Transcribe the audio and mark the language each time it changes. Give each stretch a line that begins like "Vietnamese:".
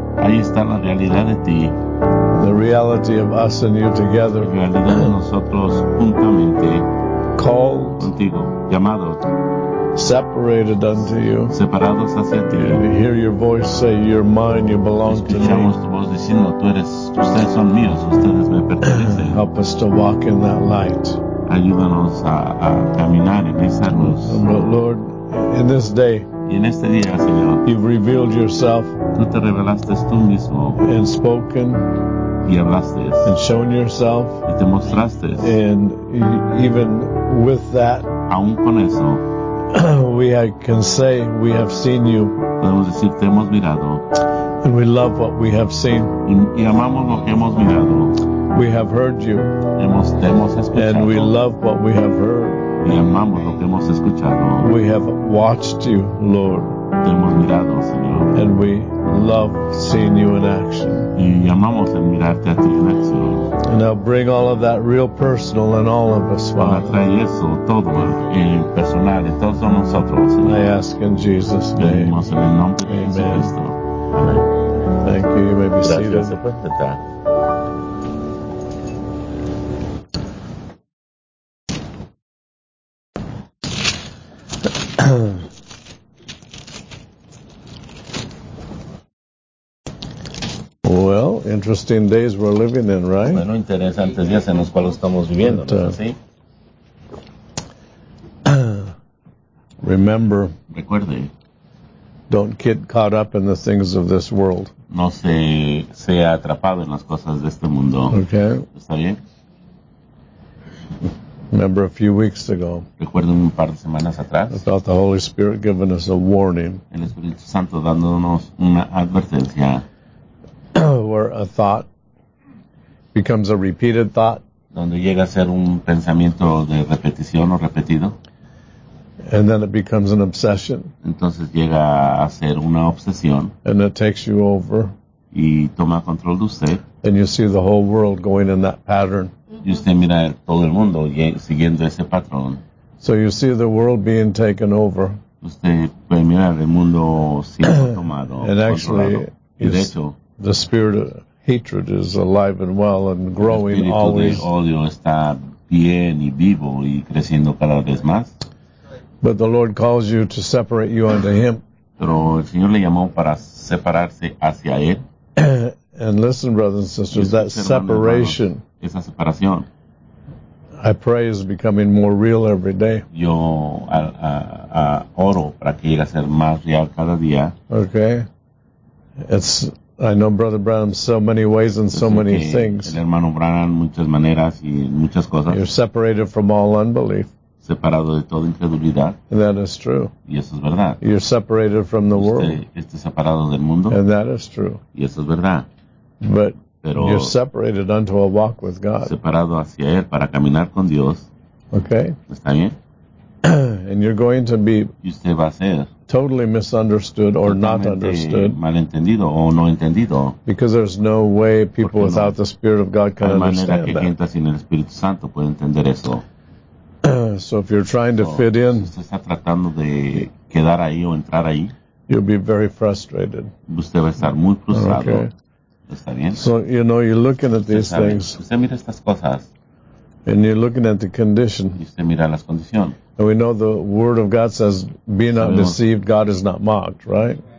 Spanish: Ahí está la realidad de ti.
English: The reality of us and you together.
Spanish: La realidad de nosotros juntamente.
English: Called
Spanish: contigo, llamado,
English: separated unto you,
Spanish: separados hacia ti.
English: And you hear your voice say, you're mine, you belong to me.
Spanish: Escuchamos tu voz diciendo, tú eres, ustedes son míos, ustedes me pertenecen.
English: Help us to walk in that light.
Spanish: Ayúdanos a caminar en esa luz.
English: But Lord, in this day,
Spanish: y en este día, Señor,
English: you've revealed yourself,
Spanish: tú te revelaste tú mismo,
English: and spoken,
Spanish: y hablaste,
English: and shown yourself,
Spanish: y te mostraste,
English: and even with that,
Spanish: aún con eso,
English: we can say we have seen you.
Spanish: Podemos decir, te hemos mirado.
English: And we love what we have seen.
Spanish: Y amamos lo que hemos mirado.
English: We have heard you.
Spanish: Hemos escuchado.
English: And we love what we have heard.
Spanish: Y amamos lo que hemos escuchado.
English: We have watched you, Lord.
Spanish: Te hemos mirado, Señor.
English: And we love seeing you in action.
Spanish: Y amamos el mirarte a ti en acción.
English: And now bring all of that real personal in all of us, Father.
Spanish: Para traer eso todo en personal en todos nosotros, Señor.
English: I ask in Jesus' name.
Spanish: Pedimos en el nombre de Jesucristo.
English: Amen. Thank you. You may be
Spanish: gracias
English: seated.
Spanish: Se puede estar.
English: Interesting days we're living in, right?
Spanish: Bueno, interesantes días en los cuales estamos viviendo, ¿no? ¿Sí?
English: Remember,
Spanish: recuerde,
English: don't get caught up in the things of this world.
Spanish: No se sea atrapado en las cosas de este mundo.
English: Okay.
Spanish: ¿Está bien?
English: Remember a few weeks ago.
Spanish: Recuerdo un par de semanas atrás.
English: I thought the Holy Spirit giving us a warning.
Spanish: El Espíritu Santo dándonos una advertencia.
English: Where a thought becomes a repeated thought.
Spanish: Donde llega a ser un pensamiento de repetición o repetido.
English: And then it becomes an obsession.
Spanish: Entonces llega a ser una obsesión.
English: And it takes you over.
Spanish: Y toma control de usted.
English: And you see the whole world going in that pattern.
Spanish: Y usted mira todo el mundo siguiendo ese patrón.
English: So you see the world being taken over.
Spanish: Usted puede mirar el mundo siendo tomado.
English: And actually,
Spanish: y de hecho,
English: the spirit of hatred is alive and well and growing always.
Spanish: El espíritu de odio está bien y vivo y creciendo cada vez más.
English: But the Lord calls you to separate you unto him.
Spanish: Pero el Señor le llamó para separarse hacia él.
English: And listen, brothers and sisters, that separation,
Spanish: esa separación,
English: I pray is becoming more real every day.
Spanish: Yo oro para que llegue a ser más real cada día.
English: Okay. It's, I know Brother Branham so many ways and so many things.
Spanish: El hermano Branham muchas maneras y muchas cosas.
English: You're separated from all unbelief.
Spanish: Separado de toda incredulidad.
English: And that is true.
Spanish: Y eso es verdad.
English: You're separated from the world.
Spanish: Usted separado del mundo.
English: And that is true.
Spanish: Y eso es verdad.
English: But
Spanish: pero
English: you're separated unto a walk with God.
Spanish: Separado hacia él para caminar con Dios.
English: Okay.
Spanish: ¿Está bien?
English: And you're going to be,
Spanish: y usted va a ser,
English: totally misunderstood or not understood.
Spanish: Malentendido o no entendido.
English: Because there's no way people without the Spirit of God can understand
Spanish: que
English: that.
Spanish: Gente sin el Espíritu Santo puede entender eso.
English: So if you're trying to fit in,
Spanish: si usted está tratando de quedar ahí o entrar ahí,
English: you'll be very frustrated.
Spanish: Usted va a estar muy frustrado. Okay. ¿Está bien?
English: So, you know, you're looking at these things.
Spanish: Usted mira estas cosas.
English: And you're looking at the condition.
Spanish: Y usted mira las condiciones.
English: And we know the word of God says, be not deceived, God is not mocked, right?